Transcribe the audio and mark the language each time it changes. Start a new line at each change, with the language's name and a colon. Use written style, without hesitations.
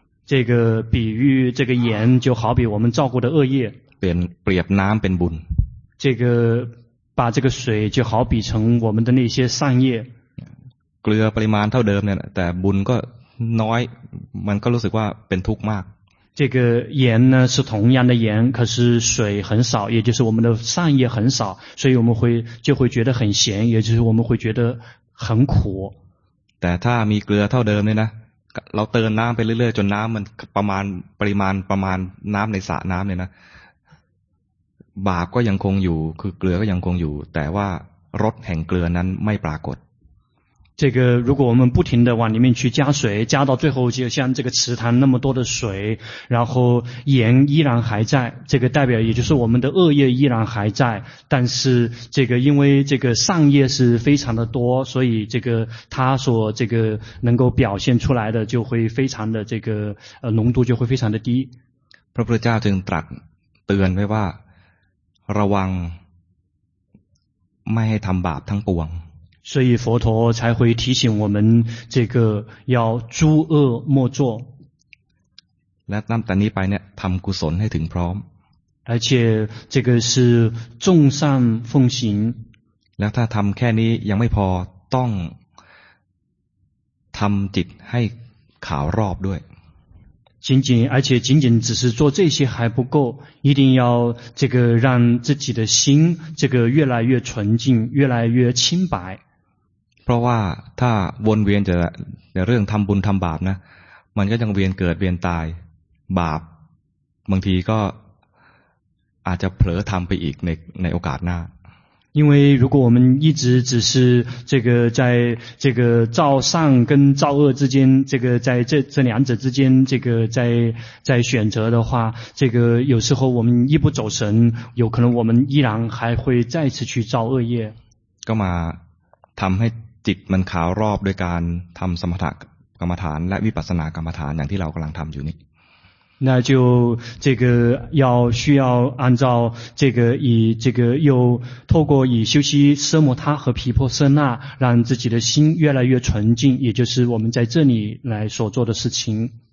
Chinese: 这个比喻这个盐就好比我们造过的恶业
Thai: เปรียบน้ำเป็นบุญ
Chinese: 这个把这个水就好比成我们的那些善业
Thai: เกลือปริมาณเท่าเดิมเนี่ยแต่บุญก็น้อยมันก็รู้สึกว่าเป็นทุกข์มาก
Chinese: 这个盐呢是同样的盐可是水很少也就是我们的善业很少所以我们就会觉得很咸也就是我们会觉得很苦
Thai: แต่ถ้ามีเกลือเท่าเดิมเนี่ยนะเราเติมน้ำไปเรื่อยๆจนน้ำมันปริมาณน้ำในสระน้ำเนี่ยนะบาปก็ยังคงอยู่คือเกลือก็ยังคงอยู่แต่ว่ารสแห่งเกลือนั้นไม่ปรากฏ
Chinese: 这个如果我们不停地往里面去加水，加到最后就像这个池塘那么多的水，然后盐依然还在，这个代表也就是我们的恶业依然还在，但是这个因为这个善业是非常的多，所以这个它所这个能够表现出来的就会非常的这个浓度就会非常的低。
Thai: พระพุทธเจ้าจึงตรัสเตือนไว้ว่าระวังไม่ให้ทำบาปทั้งปวง
Chinese: 所以佛陀才会提醒我们这个要诸恶莫作
Thai: และนำตอนนี้ไปเนี่ยทำกุศลให้ถึงพร้อม
Chinese: 而且这个是众善奉行
Thai: และถ้าทำแค่นี้ยังไม่พอต้องทำจิตให้ขาวรอบด้วย
Chinese: 仅仅而且仅仅只是做这些还不够，一定要这个让自己的心这个越来越纯净，越来越清白。
Thai: เพราะว่าถ้าวนเวียนจะเรื่องทำบุญทำบาปนะมันก็ยังเวียนเกิดเวียนตายบาปบางทีก็อาจจะเผลอทำไปอีกในโอกาสหน้า
Chinese: 因为如果我们一直只是这个在这个造善跟造恶之间，这个在这两者之间，这个在选择的话，这个有时候我们一不走神，有可能我们依然还会再次去造恶业。
Thai: ก็มาทำให้จิตมันขาวรอบด้วยการทำสมถกรรมฐานและวิปัสสนากรรมฐานอย่างที่เรากำลังทำอยู่นี้
Chinese: 那就这个要需要按照这个以这个又透过以修习奢摩他和毗婆舍那让自己的心越来越纯净也就是我们在这里来所做的事情